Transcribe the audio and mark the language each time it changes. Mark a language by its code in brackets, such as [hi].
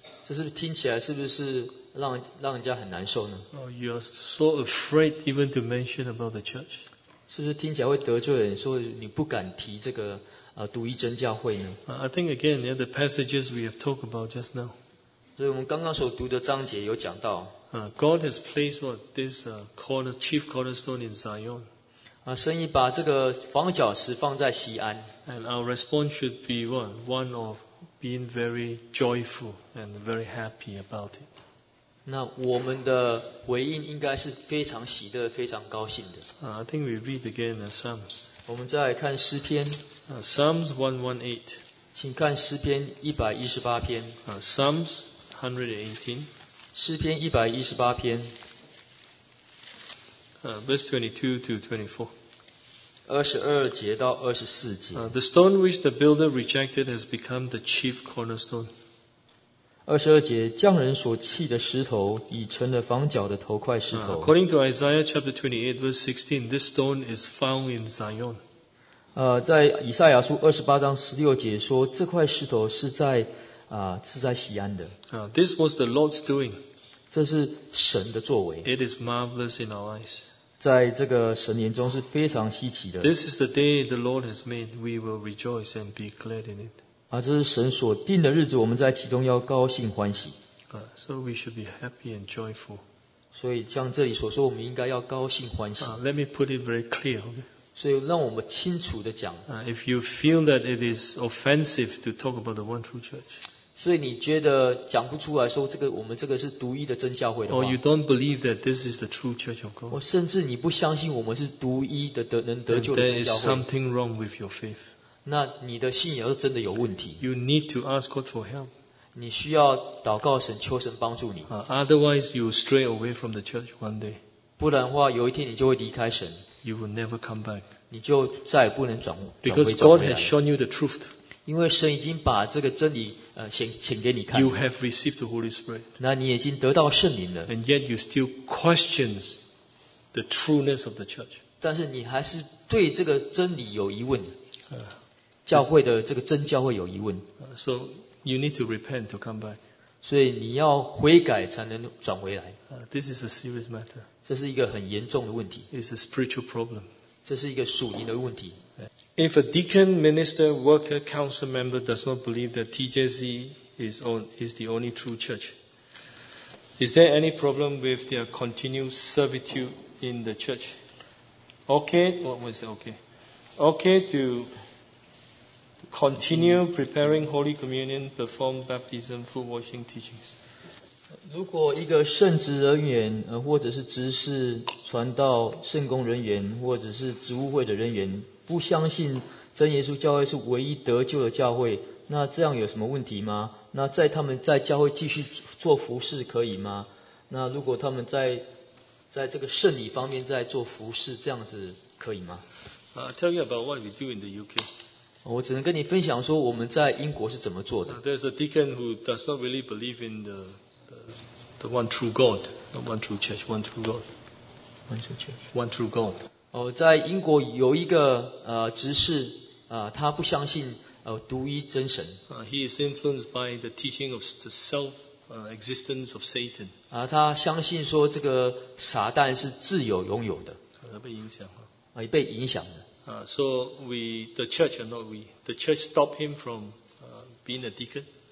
[zh] 这是不是听起来是不是让人家很难受呢？ [en] Oh, you are so afraid even to mention about the church. [zh] 是不是听起来会得罪人？说你不敢提这个独一真教会呢 [en] ？I think again, the passages we have talked about just now. [zh] 所以我们刚刚所读的章节有讲到。 [en] God has placed what this chief cornerstone in Zion. [zh] 神已把这个房角石放在锡安。 [en] And our response should be one of being very joyful and very happy about it. [zh] 那我们的回应应该是非常喜乐、非常高兴的。 [en] I think we read again the Psalms. [zh] 我们再来看诗篇。 [en] Psalms 118. [zh] 请看诗篇118篇。 [en] Psalms 118. [zh] 诗篇118篇。 [en] Verse 22 to 24. [zh] 22节到24节。 [en] The stone which the builder rejected has become the chief cornerstone. [zh] 二十二节，匠人所弃的石头已成了房角的头块石头。 [en] According to Isaiah chapter 28 verse 16, this stone is found in Zion. [zh] 在以赛亚书二十八章十六节说，这块石头是在锡安的。 [en] This was the Lord's doing. [zh] 这是神的作为。 [en] It is marvelous in our eyes. [zh] 在这个神眼中是非常稀奇的。 [en] This is the day the Lord has made. We will rejoice and be glad in it. [zh] 啊，这是神所定的日子，我们在其中要高兴欢喜。 [en] So we should be happy and joyful. [zh] 所以像这里所说，我们应该要高兴欢喜。 [en] Let me put it very clear. [zh] 所以让我们清楚地讲。 [en] If you feel that it is offensive to talk about the one true church. [zh] 所以你觉得讲不出来说这个我们这个是独一的真教会的话 [en] or you don't believe that this is the true church of God. [zh] 甚至你不相信我们是独一的能得救的真教会 [en] there is something wrong with your faith. [zh] 那你的信仰真的有问题 [en] you need to ask God for help. [zh] 你需要祷告神求神帮助你 [en] otherwise you stray away from the church one day. [zh] 不然的话有一天你就会离开神 [en] you will never come back. [zh] 你就再也不能转回来 [en] because God has shown you the truth. [zh] 因为神已经把这个真理显给你看。 [en] You have received the Holy Spirit. [zh] 那你已经得到圣灵了。 [en] And yet you still question the trueness of the church. [zh] 但是你还是对这个真理有疑问。教会的这个真教会有疑问。 [en] So you need to repent to come back. [zh] 所以你要悔改才能转回来。 [en] This is a serious matter. [zh] 这是一个很严重的问题。 [en] It's a spiritual problem. [zh] 这是一个属灵的问题。 [en] If a deacon, minister, worker, council member does not believe that TJC is the only true church, is there any problem with their continued servitude in the church? Okay, what was that? Okay. Okay to continue preparing Holy Communion, perform baptism, food washing teachings. [zh] 如果一个圣职人员或者是执事传道圣工人员或者是职务会的人员不相信真耶稣教会是唯一得救的教会，那这样有什么问题吗？那在他们在教会继续做服事可以吗？那如果他们在这个圣礼方面在做服事，这样子可以吗 [en] ？I'll tell you about what we do in the UK. [zh] 我只能跟你分享说我们在英国是怎么做的。 [en] There's a deacon who does not really believe in the one true God, not one true church, one true God, one true church, one true God. [zh] 在英国有一个执事他不相信独一真神。 [en] He is influenced by the teaching of the self existence of Satan. [zh] 他相信说这个撒旦是自由拥有的。被影响了。被影响了。 [en] So we the church and not we the church stopped him from being a deacon.